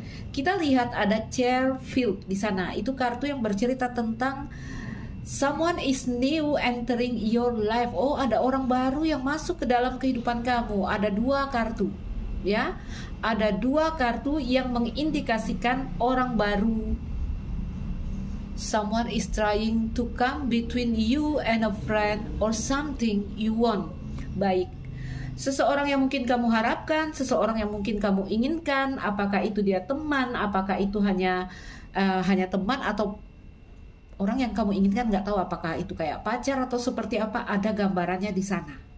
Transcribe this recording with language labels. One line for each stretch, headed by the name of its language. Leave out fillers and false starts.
Indonesian: Kita lihat ada Chair Field di sana. Itu kartu yang bercerita tentang
English: someone is new entering your life.
Indonesian: Oh, ada orang baru yang masuk ke dalam kehidupan kamu. Ada dua kartu, ya. Ada dua kartu yang mengindikasikan orang baru.
English: Someone is trying to come between you and a friend or something you want.
Indonesian: Baik, seseorang yang mungkin kamu harapkan, seseorang yang mungkin kamu inginkan, apakah itu dia teman, apakah itu hanya hanya teman atau orang yang kamu inginkan, nggak tahu apakah itu kayak pacar atau seperti apa, ada gambarannya di sana.